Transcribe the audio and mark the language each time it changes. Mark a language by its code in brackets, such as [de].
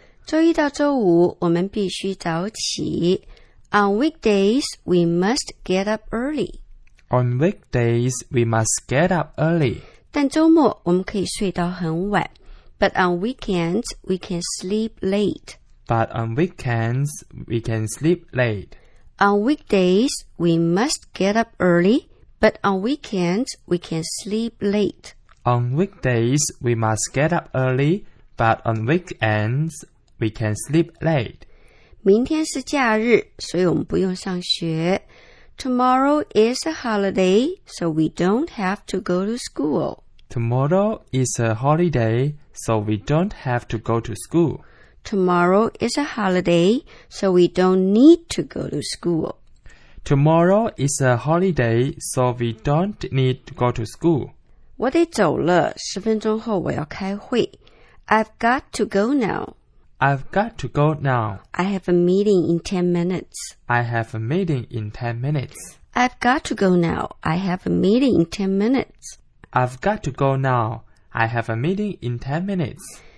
[zh] 周一到周五我们必须早起。 [en] On weekdays, we must get up early. On weekdays, we must get up early. [zh] 但周末我们可以睡到很晚。 [en] But on weekends, we can sleep late. But on weekends, we can sleep late. On weekdays, we must get up early. But on weekends, we can sleep late. On weekdays, we must get up early. But on weekends,We can sleep late. [zh] 明天是假日，所以我们不用上学。 [en] Tomorrow is a holiday, so we don't have to go to school. Tomorrow is a holiday, so we don't have to go to school. Tomorrow is a holiday, so we don't need to go to school. Tomorrow is a holiday, so we don't need to go to school. [zh] 我得走了，十分钟后我要开会。 [en] I've got to go now. I've got to go now. I have a meeting in 10 minutes. I have a meeting in 10 minutes. I've got to go now. I have a meeting in 10 minutes. I've got to go now. I have a meeting in 10 minutes.